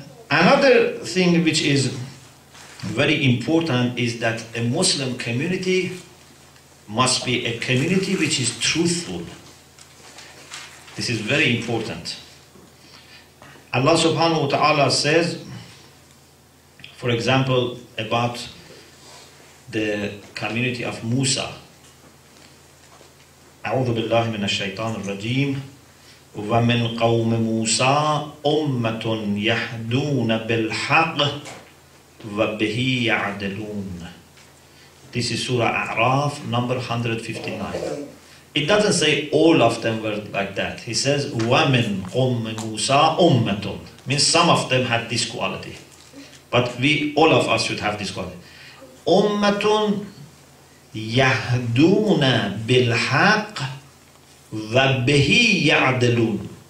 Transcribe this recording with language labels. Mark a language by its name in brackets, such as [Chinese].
[English] Another thing which is very important is that a Muslim community must be a community which is truthful. This is very important. Allah subhanahu wa ta'ala says, for example, about the community of Musa. [Arabic] أعوذ بالله من الشيطان الرجيم ومن قوم موسى أمة يهدون بالحق وبه يعدلون. [English] This is Surah A'raf, number 159. It doesn't say all of them were like that. He says, [Arabic] وَمِنْ قُمْ مُوسَىٰ أُمَّةٌ. [English] Means some of them had this quality. But we, all of us should have this quality. [Arabic] أُمَّةٌ يَهْدُونَ بِالْحَقِّ وَبِهِ يَعْدِلُونَ.